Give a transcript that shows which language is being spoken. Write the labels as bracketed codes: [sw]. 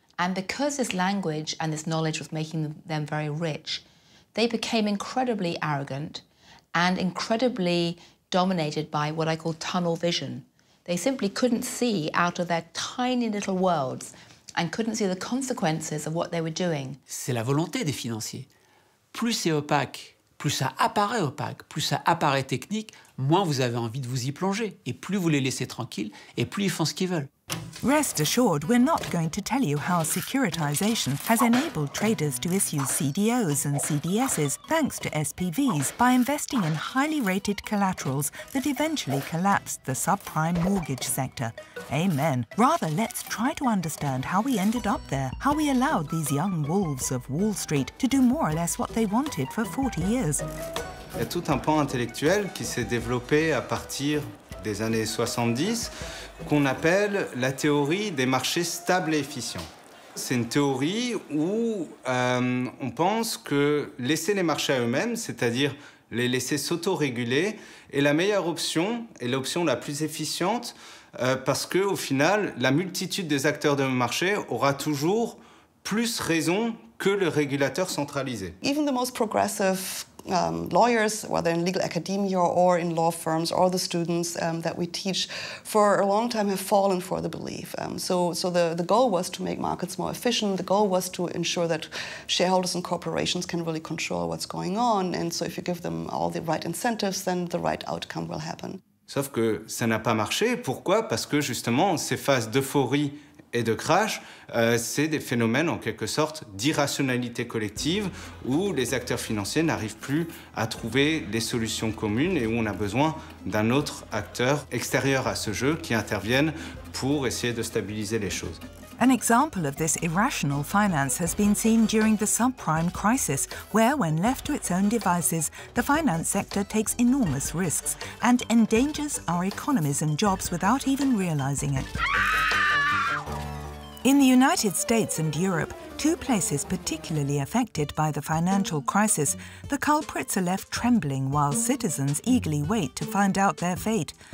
[en] And because this language and this knowledge was making them very rich, they became incredibly arrogant and incredibly dominated by what I call tunnel vision. They simply couldn't see out of their tiny little worlds and couldn't see the consequences of what they were doing. [fr] C'est la volonté des financiers. Plus c'est opaque, plus ça apparaît opaque, plus ça apparaît technique, moins vous avez envie de vous y plonger. Et plus vous les laissez tranquilles, et plus ils font ce qu'ils veulent. [en] Rest assured, we're not going to tell you how securitization has enabled traders to issue CDOs and CDSs thanks to SPVs by investing in highly rated collaterals that eventually collapsed the subprime mortgage sector. Amen. Rather, let's try to understand how we ended up there, how we allowed these young wolves of Wall Street to do more or less what they wanted for 40 years. [fr] Il y a tout un pan intellectuel qui s'est développé à partir des années 70, qu'on appelle la théorie des marchés stables et efficients. C'est une théorie où on pense que laisser les marchés à eux-mêmes, c'est-à-dire les laisser s'auto-réguler, est la meilleure option et l'option la plus efficiente parce qu'au final, la multitude des acteurs de marché aura toujours plus raison que le régulateur centralisé. [en] Even the most progressive lawyers, whether in legal academia or in law firms, or the students that we teach, for a long time have fallen for the belief. So the goal was to make markets more efficient. The goal was to ensure that shareholders and corporations can really control what's going on. And so if you give them all the right incentives, then the right outcome will happen. [fr] Sauf que ça n'a pas marché. Pourquoi? Parce que justement, ces phases d'euphorie et de crash, c'est des phénomènes en quelque sorte d'irrationalité collective où les acteurs financiers n'arrivent plus à trouver des solutions communes et où on a besoin d'un autre acteur extérieur à ce jeu qui intervienne pour essayer de stabiliser les choses. [en] An example of this irrational finance has been seen during the subprime crisis, where, when left to its own devices, the finance sector takes enormous risks and endangers our economies and jobs without even realizing it. In the United States and Europe, two places particularly affected by the financial crisis, the culprits are left trembling while citizens eagerly wait to find out their fate.